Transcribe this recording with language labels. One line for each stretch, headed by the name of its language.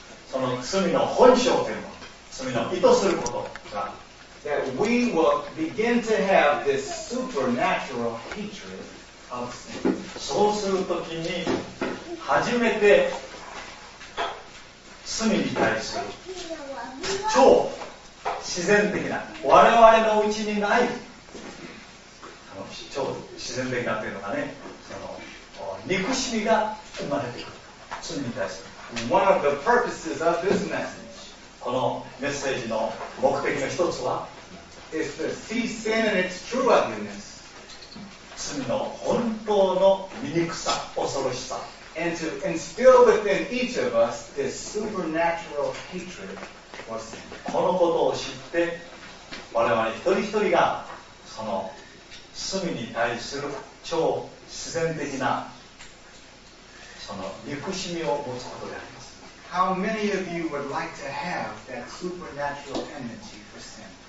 Japanese: その罪の本性というもの罪の意図することが
English: That we will begin to have this supernatural hatred of sin
Japanese: そうするときに初めて罪に対する超自然的な我々のうちにない超自然的なというのがねその憎しみが生まれてくる罪に対する
English: One of the purposes of this message
Japanese: このメッセージの目的の一つは
English: is to see sin and its true ugliness
Japanese: 罪の本当の醜さ恐ろしさ
English: and to instill within each of us this supernatural hatred for sin
Japanese: このことを知って我々一人一人がその罪に対する超自然的なその憎しみを持つことであります。
English: How many of you would like to have that supernatural energy for sin?